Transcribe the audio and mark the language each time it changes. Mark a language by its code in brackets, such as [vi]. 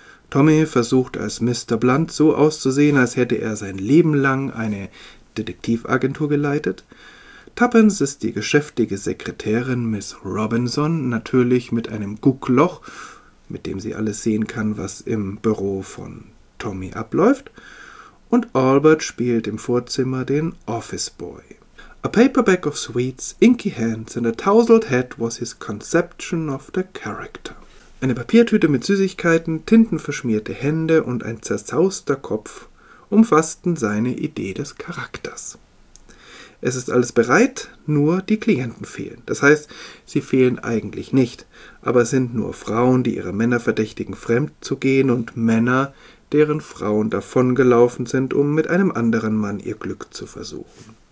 [de] Tommy versucht als Mr. Blunt so auszusehen, als hätte er sein Leben lang eine Detektivagentur geleitet. Tuppence ist die geschäftige Sekretärin Miss Robinson, natürlich mit einem Guckloch, mit dem sie alles sehen kann, was im Büro von Tommy abläuft. Und Albert spielt im Vorzimmer den Office Boy. [en] A paper bag of sweets, inky hands and a tousled head was his conception of the character. [de] Eine Papiertüte mit Süßigkeiten, tintenverschmierte Hände und ein zerzauster Kopf umfassten seine Idee des Charakters. Es ist alles bereit, nur die Klienten fehlen. Das heißt, sie fehlen eigentlich nicht, aber es sind nur Frauen, die ihre Männer verdächtigen, fremd zu gehen und Männer, deren Frauen davongelaufen sind, um mit einem anderen Mann ihr Glück zu versuchen.